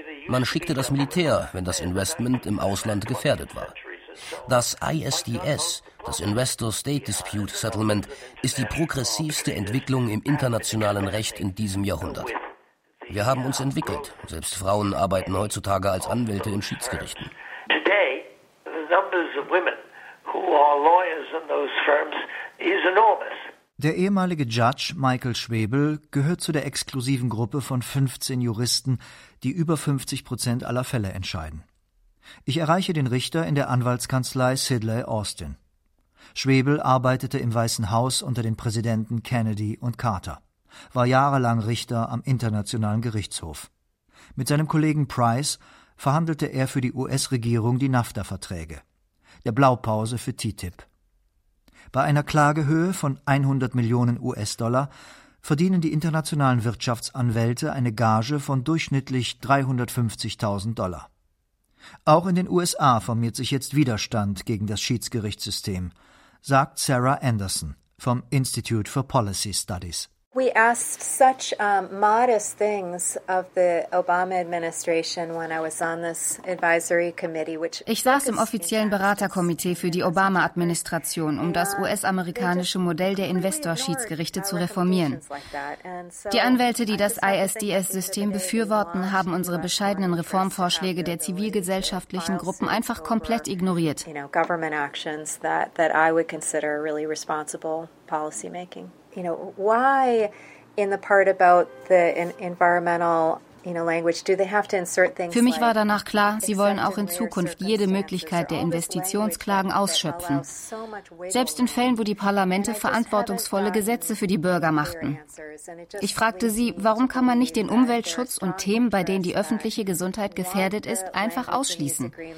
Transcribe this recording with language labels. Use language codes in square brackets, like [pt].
[de] Man schickte das Militär, wenn das Investment im Ausland gefährdet war. Das ISDS, das Investor State Dispute Settlement, ist die progressivste Entwicklung im internationalen Recht in diesem Jahrhundert. Wir haben uns entwickelt. Selbst Frauen arbeiten heutzutage als Anwälte in Schiedsgerichten. [en] Today, the numbers of women who are lawyers in those firms is enormous. [de] Der ehemalige Judge Michael Schwebel gehört zu der exklusiven Gruppe von 15 Juristen, die über 50% aller Fälle entscheiden. Ich erreiche den Richter in der Anwaltskanzlei Sidley Austin. Schwebel arbeitete im Weißen Haus unter den Präsidenten Kennedy und Carter, war jahrelang Richter am Internationalen Gerichtshof. Mit seinem Kollegen Price verhandelte er für die US-Regierung die NAFTA-Verträge, der Blaupause für TTIP. Bei einer Klagehöhe von 100 Millionen US-Dollar verdienen die internationalen Wirtschaftsanwälte eine Gage von durchschnittlich 350.000 Dollar. Auch in den USA formiert sich jetzt Widerstand gegen das Schiedsgerichtssystem, sagt Sarah Anderson vom Institute for Policy Studies. [en] We asked such modest things of the Obama administration when I was on this advisory committee, which [de] ich saß im offiziellen Beraterkomitee für die Obama-Administration, um das US-amerikanische Modell der Investorschiedsgerichte zu reformieren. Die Anwälte, die das ISDS-System befürworten, haben unsere bescheidenen Reformvorschläge der zivilgesellschaftlichen Gruppen einfach komplett ignoriert. [en] You know, government actions that I would consider really responsible policy making. You know, why in the part about the environmental, you know, language do they have to insert things? [de] Für mich war danach klar, sie wollen auch in Zukunft jede Möglichkeit der Investitionsklagen ausschöpfen. Selbst in Fällen, wo die Parlamente verantwortungsvolle Gesetze für die Bürger machten. Ich fragte sie, warum kann man nicht den Umweltschutz und Themen, bei denen die öffentliche Gesundheit gefährdet ist, einfach ausschließen?